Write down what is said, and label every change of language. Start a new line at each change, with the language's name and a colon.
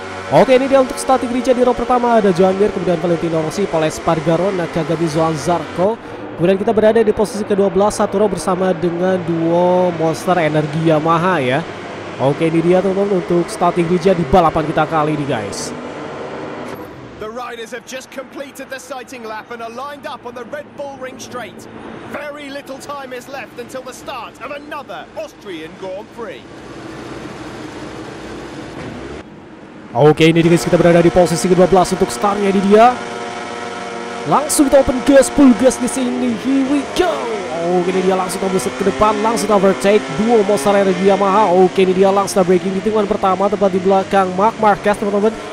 Indonesian: Oke, ini dia untuk starting grid di row pertama. Ada Joan Mir, kemudian Valentino Rossi, Pol Espargaro, Nakagami, Zoan Zarco. Kemudian kita berada di posisi ke-12, satu row bersama dengan duo Monster Energi Yamaha ya. Oke, ini dia teman-teman untuk starting grid di balapan kita kali ini guys.
English: Riders have just completed the sighting lap and are lined up on the Red Bull Ring straight. Very little time is left until the start of another Austrian Grand Prix.
Indonesian: Oke, ini guys, kita berada di posisi ke-12 untuk startnya di dia. Langsung kita open gas, full gas di sini.
English: Here we go.
Indonesian: Oke, ini dia langsung tombol set ke depan, langsung overtake duo Monster Energy Yamaha. Oke, ini dia langsung braking di tikungan pertama tepat di belakang Marc Marquez, teman-teman.